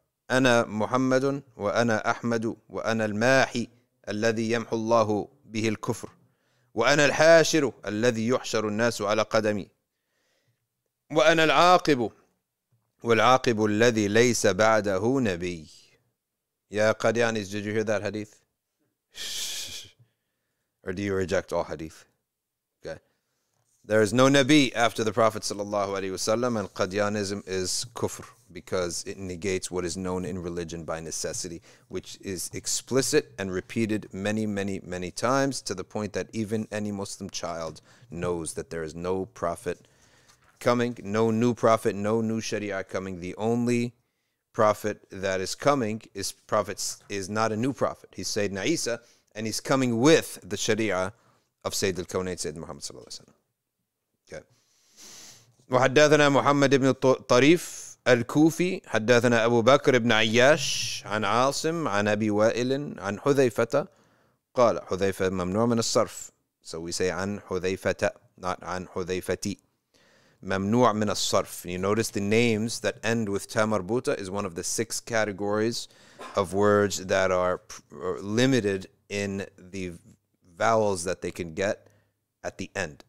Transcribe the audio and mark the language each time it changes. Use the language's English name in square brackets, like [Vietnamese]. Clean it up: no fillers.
[Arabic] أنا محمد وأنا أحمد وأنا الماحي الذي يمحو الله به الكفر وأنا الحاشر الذي يحشر الناس على قدمي وأنا العاقب والعاقب الذي ليس بعده نبي. يا قديانيز, [English] did you hear that hadith? Or do you reject all hadith? Okay. There is no Nabi after the Prophet sallallahu alayhi wasallam, and Qadianism is kufr because it negates what is known in religion by necessity, which is explicit and repeated many, many, many times to the point that even any Muslim child knows that there is no prophet coming, no new prophet, no new Sharia coming. The only prophet that is coming is prophets is not a new prophet. He's Sayyidina Isa, and he's coming with the Sharia of Sayyid al-Kawnain, Sayyid Muhammad sallallahu alayhi wa sallam. [Arabic] وحدثنا محمد بن طريف الكوفي حدثنا أبو بكر بن عياش عن عاصم عن أبي وائل عن حذيفة قال حذيفة ممنوع من الصرف. [English] So we say [Arabic] عن حذيفة, [English] not [Arabic] عن حذيفتي. ممنوع من الصرف. [English] You notice the names that end with تامربوتة is one of the six categories of words that are limited in the vowels that they can get at the end.